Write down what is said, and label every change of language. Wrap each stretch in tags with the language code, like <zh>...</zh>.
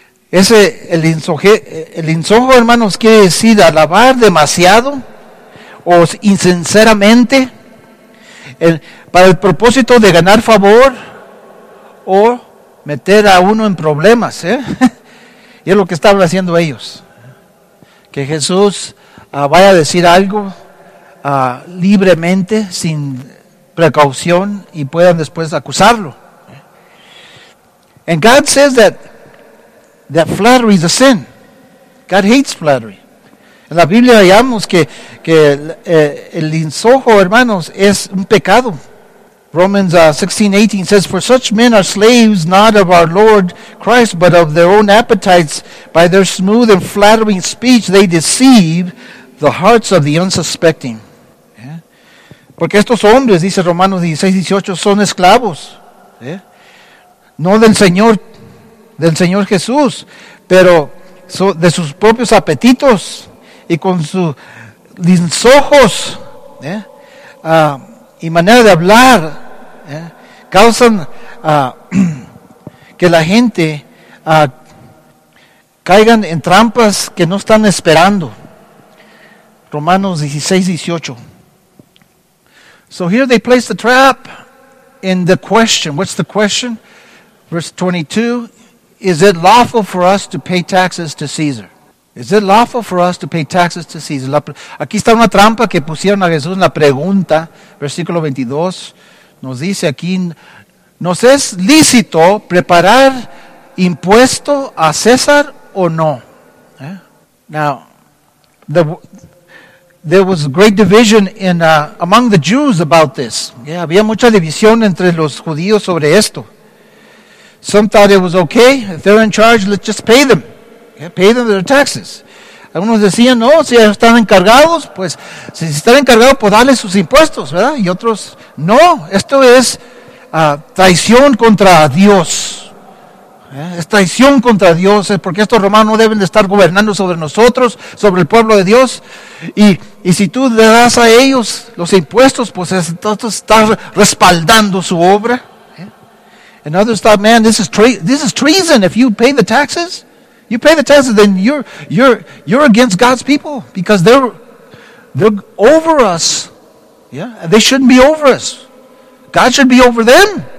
<es>Ese el insojo, hermanos, quiere decir alabar demasiado o insinceramente para el propósito de ganar favor o meter a uno en problemas, ¿eh? Y es lo que estaban haciendo ellos. Que Jesús vaya a decir algo libremente, sin precaución, y puedan después acusarlo.</es> <en>And God says that flattery is a sin. God hates flattery.</en> <es>En la Biblia hallamos que el insojo, hermanos, es un pecado.</es> <en>Romans 16:18 says, "For such men are slaves not of our Lord Christ, but of their own appetites. By their smooth and flattering speech they deceive the hearts of the unsuspecting."</en> <es>Yeah. Porque estos hombres, dice Romanos 16:18, son esclavos. Yeah. No del Señor Jesús, pero de sus propios apetitos y con sus lisonjos, y manera de hablar, causan que la gente caigan en trampas que no están esperando. Romanos 16:18.</es> <en>So here they place the trap in the question. What's the question? Verse 22. Is it lawful for us to pay taxes to Caesar? Is it lawful for us to pay taxes to Caesar?</en> <es>Aquí está una trampa que pusieron a Jesús en la pregunta. Versículo 22 nos dice aquí, ¿nos es lícito preparar impuesto a César o no?</es> <en>Yeah. Now, there was great division among the Jews about this.</en> <es>Yeah, había mucha división entre los judíos sobre esto.</es> <en>Some thought it was okay. If they're in charge, let's just pay them. Yeah, pay them their taxes.</en> <es>Algunos decían, no, si están encargados, pues, si están encargados, pues, darles sus impuestos, ¿verdad? Y otros, no, esto es traición contra Dios. ¿Eh? Es traición contra Dios, es porque estos romanos no deben de estar gobernando sobre nosotros, sobre el pueblo de Dios. Y si tú le das a ellos los impuestos, pues, entonces estás respaldando su obra.</es> <en>And others thought, man, this is treason. If you pay the taxes, then you're against God's people because they're over us. Yeah, they shouldn't be over us. God should be over them.</en>